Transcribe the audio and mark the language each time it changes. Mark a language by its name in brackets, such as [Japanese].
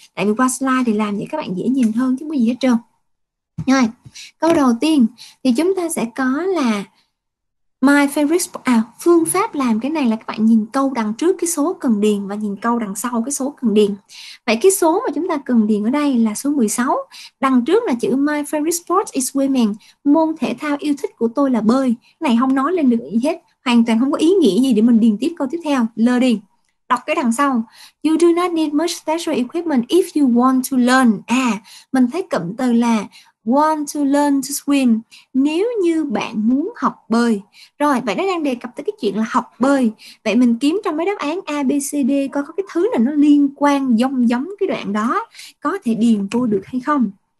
[Vietnamese] Tại vì qua slide thì làm vậy các bạn dễ nhìn hơn chứ không có gì hết trơn. Rồi, câu đầu tiên thì chúng ta sẽ có là [English] my favorite, [Vietnamese] à phương pháp làm cái này là các bạn nhìn câu đằng trước cái số cần điền và nhìn câu đằng sau cái số cần điền. Vậy cái số mà chúng ta cần điền ở đây là số 16. Đằng trước là chữ [English] my favorite sport is swimming, [Vietnamese] môn thể thao yêu thích của tôi là bơi. Này không nói lên được gì hết, hoàn toàn không có ý nghĩa gì để mình điền tiếp câu tiếp theo, lơ đi. Đọc cái đằng sau, [English] you do not need much special equipment if you want to learn. [Vietnamese] À, mình thấy cụm từ là [English] want to learn to swim, [Vietnamese] nếu như bạn muốn học bơi. Rồi vậy nó đang đề cập tới cái chuyện là học bơi, vậy mình kiếm trong mấy đáp án A B C D coi có cái thứ nào nó liên quan giống giống cái đoạn đó có thể điền vô được hay không.